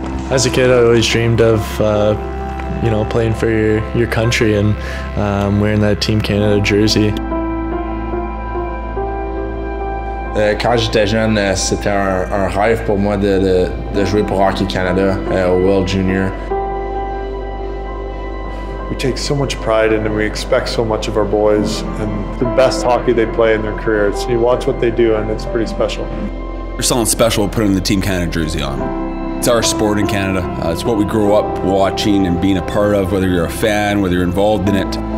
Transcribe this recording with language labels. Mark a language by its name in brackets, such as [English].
[English] As a kid, I always dreamed of, you know, playing for your country and wearing that Team Canada jersey. [French] Quand j'étais jeune, c'était un rêve pour moi de jouer pour Hockey Canada au World Junior. [English] We take so much pride in them, we expect so much of our boys, and the best hockey they play in their careers. You watch what they do, and it's pretty special. There's something special putting the Team Canada jersey on. It's our sport in Canada. It's what we grow up watching and being a part of, whether you're a fan, whether you're involved in it.